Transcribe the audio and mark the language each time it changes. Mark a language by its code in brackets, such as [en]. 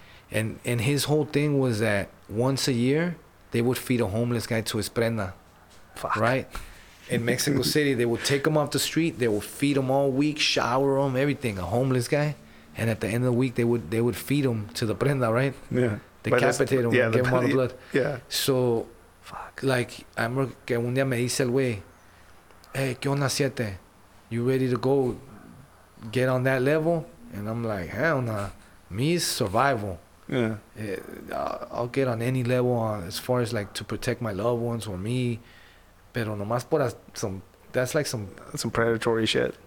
[en] And his whole thing was that once a year, they would feed a homeless guy to his prenda. Fuck. Right? In Mexico City, they would take him off the street. They would feed him all week, shower him, everything. A homeless guy. And at the end of the week, they would feed him to the prenda, right? Yeah. Decapitate him, yeah, give him all the blood. Yeah. So, fuck. Like, I remember [es] que un día me dice el güey, hey, ¿qué onda siete? [en] You ready to go get on that level? And I'm like, hell nah. Me is survival. Yeah. I'll get on any level as far as like to protect my loved ones or me. [es] Pero nomás por [en] some, that's like some... some predatory shit.